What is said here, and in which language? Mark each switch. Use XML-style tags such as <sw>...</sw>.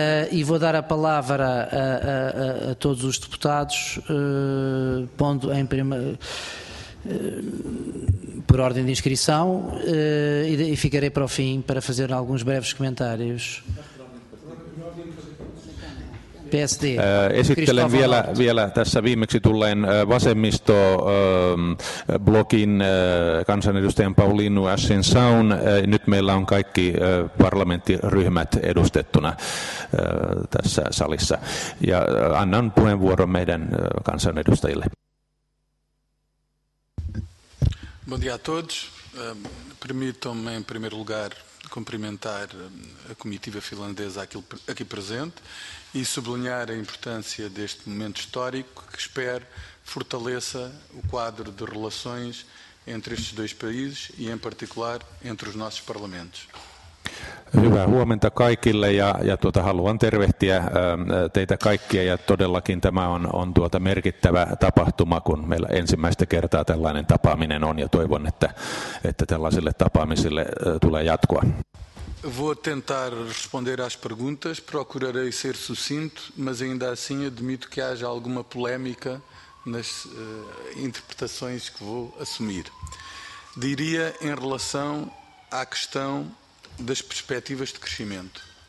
<pt>E vou dar a palavra a todos os deputados, pondo em por ordem de inscrição, e ficarei para o fim para fazer alguns breves comentários.</pt> <fi>Esittelen vielä tässä viimeksi tulleen vasemmistoblogin kansanedustajan Paulino Ascensaun. Nyt meillä on kaikki parlamenttiryhmät edustettuna tässä salissa. Ja annan puheenvuoron meidän kansanedustajille.</fi> <pt>Bom dia a todos. Permitam-me, em primeiro lugar, cumprimentar a comitiva finlandesa aqui presente e sublinhar a importância deste momento histórico que espero fortaleça o quadro de relações entre estes dois países e, em particular, entre os nossos parlamentos.</pt> <fi>Hyvää huomenta kaikille ja haluan tervehtiä teitä kaikkia ja todellakin tämä on merkittävä tapahtuma, kun meillä ensimmäistä kertaa tällainen tapaaminen on ja toivon, että tällaisille tapaamisille tulee jatkoa.</fi> <pt>Vou tentar responder às perguntas, procurarei ser sucinto, mas ainda assim admito que haja alguma polémica nas interpretações que vou assumir. Diria em relação à questão das perspectivas de crescimento.</pt>